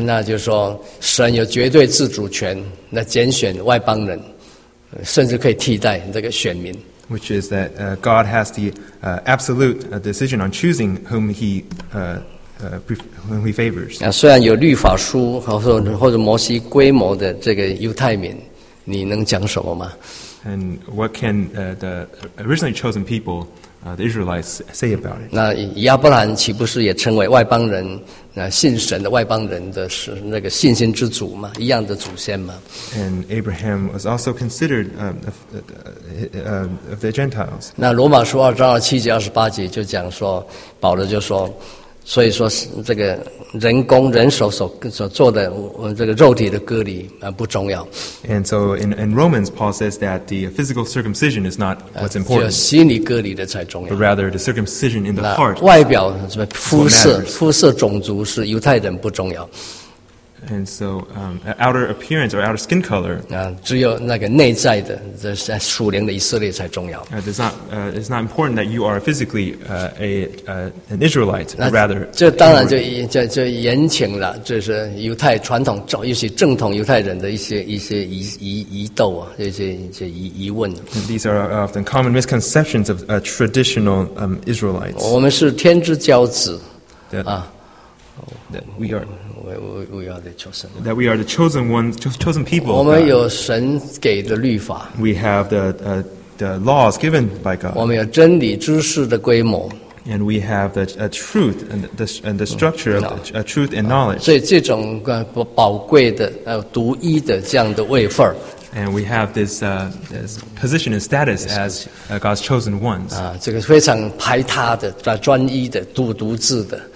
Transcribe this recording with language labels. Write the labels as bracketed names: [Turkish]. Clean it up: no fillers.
[Chinese] 那就是说神有绝对自主权，那拣选外邦人。甚至可以替代这个选民。 [English] Which is that God has the absolute decision on choosing whom He whom He favors. [Chinese] 虽然有律法书或者摩西规模的这个犹太民，你能讲什么吗 [English] ？And what can the originally chosen people, the Israelites, say about it? [Chinese] 那亚伯兰岂不是也称为外邦人？信神的外邦人的是那个信心之祖嘛，一样的祖先嘛。 [English] And Abraham was also considered of the Gentiles. [Chinese] 那罗马书2:27-28就讲说，保罗就说，所以说这个人手所做的这个肉体的割礼不重要。 [English] And so in Romans, Paul says that the physical circumcision is not what's important. [Chinese] 就心里割礼的才重要。 [English] But rather the circumcision in the heart. [Chinese] 外表什么肤色种族是犹太人不重要。 [English] And so outer appearance or outer skin color. [Chinese] 只有那个内在的这是属灵的以色列才重要。 [English] It's not important that you are physically an Israelite, but rather. [Chinese] 这当然就延请了，这是犹太传统，尤其正统犹太人的一些疑窦啊，一些疑问。 [English] These are often common misconceptions of traditional Israelites. [Chinese] 我们是天之骄子啊。 [English] That we are the chosen ones, chosen people. [Chinese] 我们有神给的律法。 [English] We have the laws given by God. [Chinese] 我们有真理知识的规模。 [English] And we have the truth and the structure of the truth and knowledge. [Chinese] 所以这种宝贵的独一的这样的位份。 [English] And we have this position and status as God's chosen ones. [Chinese] 这个非常排他的、专一的、独自的。